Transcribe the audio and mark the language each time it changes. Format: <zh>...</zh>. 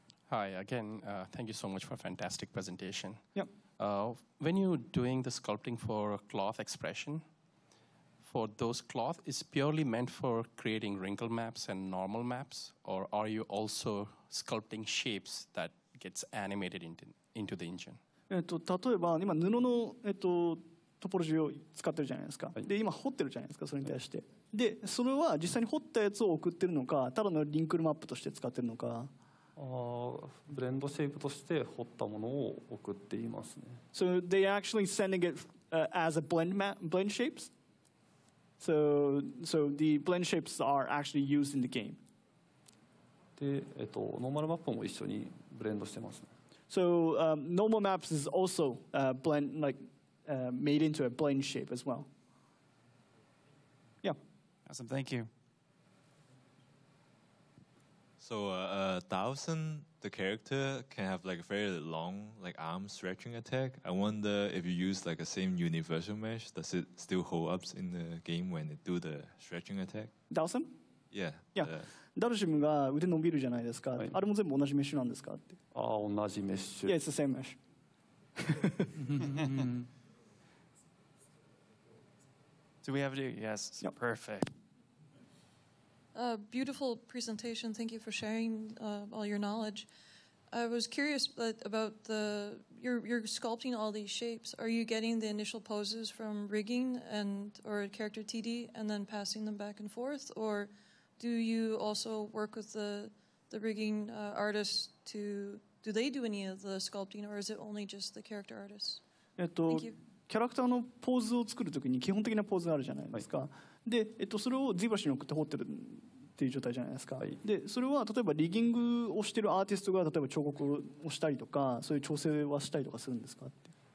<en>Hi again, thank you so much for a fantastic presentation. Yep. When you're doing the sculpting for a cloth expression, for those cloth, is purely meant for creating wrinkle maps and normal maps, or are you also sculpting shapes that gets animated into the engine?</en> <ja>例えば今布の、トポロジーを使ってるじゃないですか。で、今掘ってるじゃないですか、それに対して。で、それは実際に掘ったやつを送ってるのか、ただのリンクルマップとして使ってるのか。ブレンドシェイプとして彫ったものを送っていますね。</ja> <en>So they're actually sending it as a blend shapes. So the blend shapes are actually used in the game.</en> <ja>で、ノーマルマップも一緒にブレンドしてますね。</ja> <en>So normal maps is also blend like made into a blend shape as well. Yeah. Awesome. Thank you. So Thousand, the character can have like a very long like arm stretching attack. I wonder if you use like the same universal mesh, does it still hold up in the game when it do the stretching attack? Thousand? Yeah. Yeah.</en> <ja>ダルシムが腕伸びるじゃないですか、はい、あれも全部同じメッシュなんですかって。ああ、同じメッシュ。</ja> <en>Yeah, it's the same mesh. Do we have it? Yes, yep. Perfect. Beautiful presentation. Thank you for sharing all your knowledge. I was curious about you're sculpting all these shapes. Are you getting the initial poses from rigging and or character TD and then passing them back and forth, or do you also work with the rigging artists to do they do any of the sculpting or is it only just the character artists?</en> <ja>キャラクターのポーズを作るときに基本的なポーズがあるじゃないですか。で、それをZBrushに送って彫ってるっていう状態じゃないですか。で、それは例えばリギングをしてるアーティストが例えば彫刻をしたりとかそういう調整はしたりとかするんですかって。</ja>